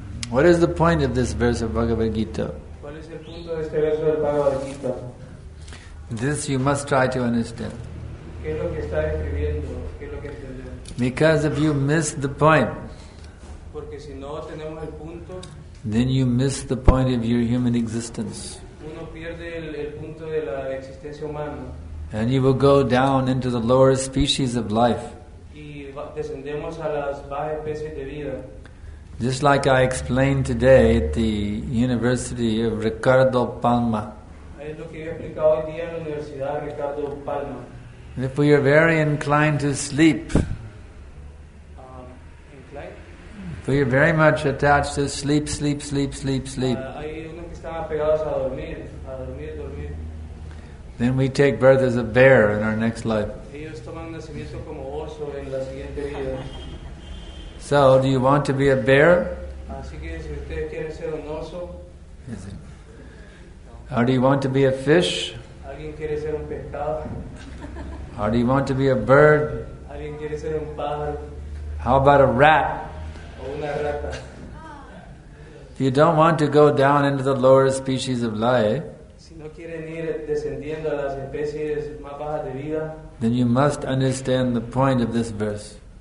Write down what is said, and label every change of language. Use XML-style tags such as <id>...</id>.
<en>What is the point of this verse of Bhagavad Gita?</en> <es>¿Cuál es el punto de este verso del Bhagavad Gita?</es> <en>This you must try to understand.</en> <es>¿Qué es lo que está escribiendo? ¿Qué es lo que entendemos?</es> <en>Because if you miss the point,</en> <es>porque si no tenemos el punto,</es> <en>then you miss the point of your human existence.</en> <es>Uno pierde el punto de la existencia humana.</es> <en>And you will go down into the lower species of life.</en> <es>Y descendemos a las bajas especies de vida.</es> <en>Just like I explained today at the University of Ricardo Palma.</en> <es>Es lo que yo he explicado hoy día en la Universidad Ricardo Palma.</es> <en>And if we are very inclined to sleep, inclined? If we are very much attached to sleep, sleep, sleep, sleep, sleep,</en> <es>hay unos que están apegados a dormir, a dormir, dormir.</es> <en>Then we take birth as a bear in our next life.</en> <es>Ellos toman nacimiento como oso en la siguiente vida.</es> <en>So, do you want to be a bear?</en> <es>Así que si ustedes quieren ser un oso.</es> <en>Is it? No. Or do you want to be a fish?</en> <es>¿Alguien quiere ser un pescado?</es> <en>Or do you want to be a bird?</en> <es>¿Alguien quiere ser un pájaro?</es> <en>How about a rat?</en> <es>O una rata.</es> <en>If you don't want to go down into the lower species of life,</en> <es>si no quieren ir descendiendo a las especies más bajas de vida,</es> <en>then you must understand the point of this verse.</en>